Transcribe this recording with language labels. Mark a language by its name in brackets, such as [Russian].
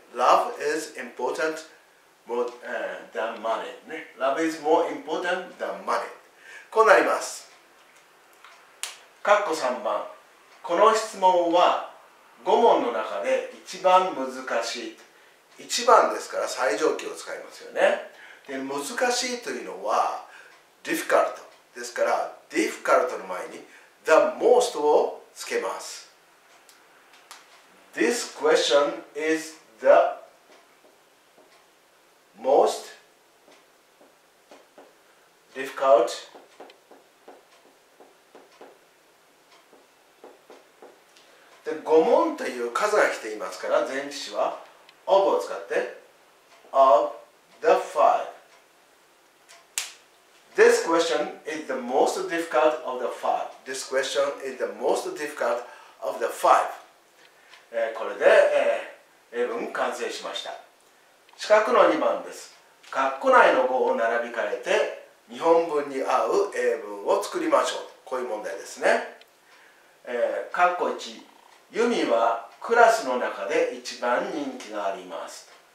[English] Love is important more than money.、ね、Love is more important than money. [Japanese] こうなります。括弧3番。この質問は5問の中で一番難しい。一番ですから最上級を使いますよね。で、難しいというのは difficult ですから、difficult の前に the most をつけます。 [English] This question is the most difficult [Japanese] で、5問という数が来ていますから、前置詞は of を使って [English] of the five。 This question is the most difficult of the five. This question is the most difficult of the five. [Japanese] これで、英文完成しました。四角の2番です。括弧内の語を並び替えて日本文に合う英文を作りましょう。こういう問題ですね。括弧1、ユミはクラスの中で一番人気があります。